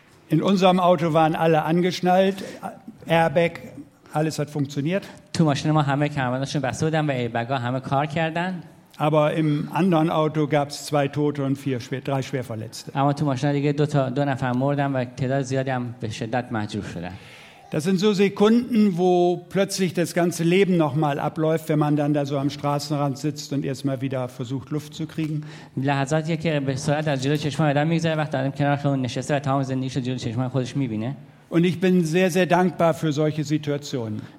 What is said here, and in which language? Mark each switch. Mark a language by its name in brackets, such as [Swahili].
[German] In unserem Auto waren alle angeschnallt, Airbag. Alles hat funktioniert. [Persian] تو ماشین ما همه کمربندشون بسته بودن و ایربگا همه کار کردن. [German] Aber im anderen Auto gab's zwei Tote und drei Schwerverletzte. [Persian] اما تو ماشین دیگه دو نفر مردن و تعداد زیادی هم به شدت مجروح شدن. [German] Das sind so Sekunden, wo plötzlich das ganze Leben nochmal abläuft, wenn man dann da so am Straßenrand sitzt und erstmal wieder versucht, Luft zu kriegen. Und ich bin sehr, sehr dankbar für solche Situationen.